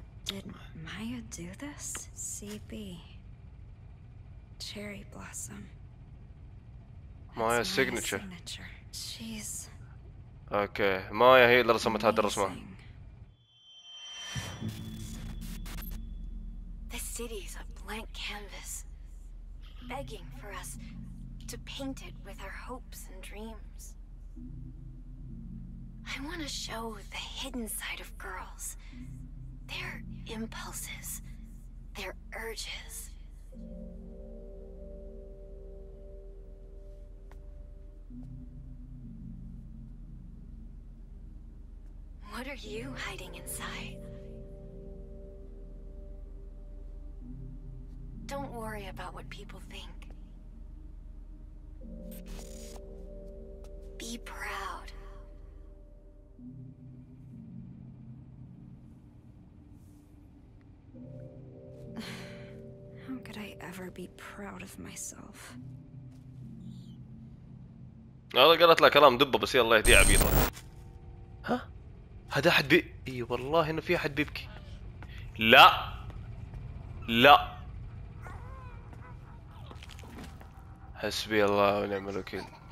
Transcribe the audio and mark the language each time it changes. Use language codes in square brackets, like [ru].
[en] Did Maya do this? CB Cherry Blossom. Maya signature. She's okay. [ar] مايا هي اللي رسمت هذه الرسمة. [en] The city's a blank canvas begging for us to paint it with our hopes and dreams. I want to show the hidden side of girls, their impulses, their urges. What are you hiding inside? Don't worry about what people think. Be proud. How could I ever be proud of myself? [ar] هذا قالت لها كلام دبه بس يلا يهديها عبيطه. ها؟ هذا احد بي اي والله انه في احد بيبكي. لا لا حسبي الله ونعم الوكيل.